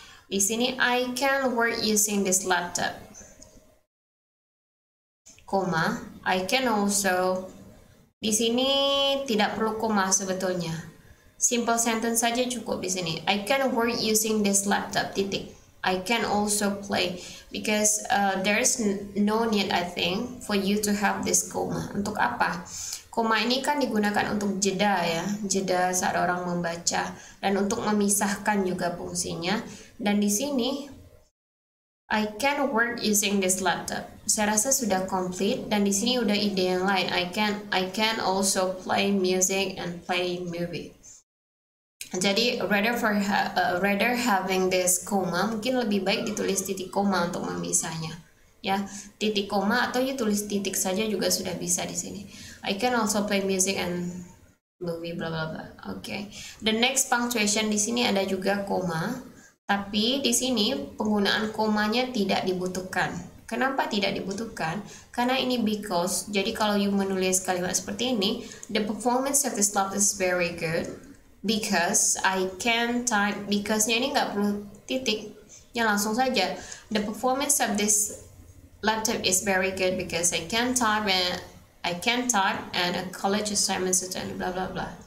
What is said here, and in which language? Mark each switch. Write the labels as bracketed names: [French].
[Indonesian] Di sini [English] I can work using this laptop. Koma, I can also. [Indonesian] Di sini tidak perlu koma sebetulnya. [English] Simple sentence [Indonesian] saja cukup di sini. [English] I can work using this laptop. [Indonesian] Titik. [English] I can also play because there is no need I think for you to have this koma. [Indonesian] Untuk apa? Koma ini kan digunakan untuk jeda ya, jeda saat orang membaca dan untuk memisahkan juga fungsinya. Dan di sini [English] I can work using this laptop. [Indonesian] Saya rasa sudah complete dan di sini udah ide yang lain. [English] I can also play music and play movie. [Indonesian] Jadi [English] rather having this [Indonesian] koma, mungkin lebih baik ditulis titik koma untuk memisahnya. Ya, titik koma atau you tulis titik saja juga sudah bisa di sini. [English] I can also play music and movie bla bla bla. Okay. The next punctuation [Indonesian] di sini ada juga koma. Tapi di sini penggunaan komanya tidak dibutuhkan. Kenapa tidak dibutuhkan? Karena ini [English] because. [Indonesian] Jadi kalau [English] you [Indonesian] menulis kalimat seperti ini, [English] the performance of this laptop is very good because I can type. [Indonesian] Because-nya ini nggak perlu titik, ya langsung saja. [English] The performance of this laptop is very good because I can type and a college assignment and blah blah blah.